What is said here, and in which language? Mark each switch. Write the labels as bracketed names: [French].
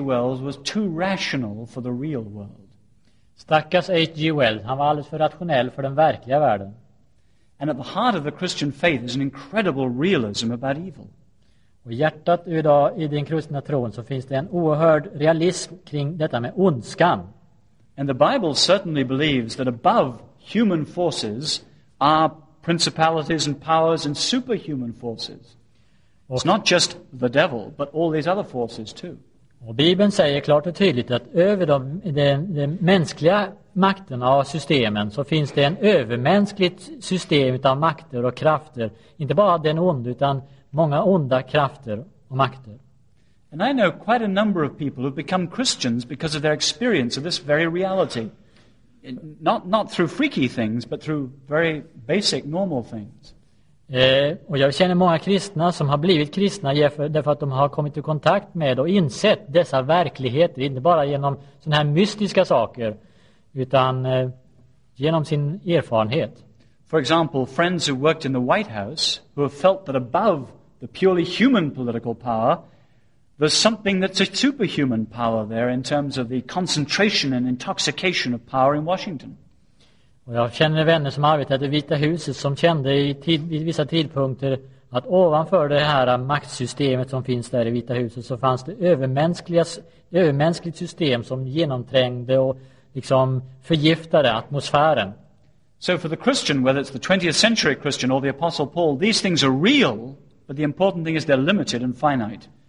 [English] Wells was too rational for the real world. [Swedish] Stackars H.G. Wells, han var alldeles för rationell för den verkliga världen. [English] And at the heart of the Christian faith is an incredible realism about evil. [Swedish] Och hjärtat idag i den kristna tron, så finns det en oerhörd realism kring detta med ondskan. [English] And the Bible certainly believes that above human forces are principalities and powers and superhuman forces. It's not just the devil, but all these other forces too. [Swedish] Och Bibeln säger klart och tydligt att över de mänskliga makterna och systemen, så finns det en övermänskligt system av makter och krafter. Inte bara den onda, utan många onda krafter och makter. [English] And I know quite a number of people who have become Christians because of their experience of this very reality. Not through freaky things, but through very basic normal things. [Swedish] Och jag känner många kristna som har blivit kristna därför att de har kommit i kontakt med och insett dessa verkligheter, inte bara genom sådana här mystiska saker, utan genom sin erfarenhet. [English] For example, friends who worked in the White House who have felt that above the purely human political power, there's something that's a superhuman power there in terms of the concentration and intoxication of power in Washington. [Swedish] Och jag känner vänner som arbetade i Vita huset som kände i vissa tidpunkter att ovanför det här maktsystemet som finns där i Vita huset, så fanns det övermänskligt system som genomträngde och liksom förgiftade atmosfären. [English] So for the Christian, whether it's the 20th century Christian or the Apostle Paul, these things are real, but the important thing is they're limited and finite.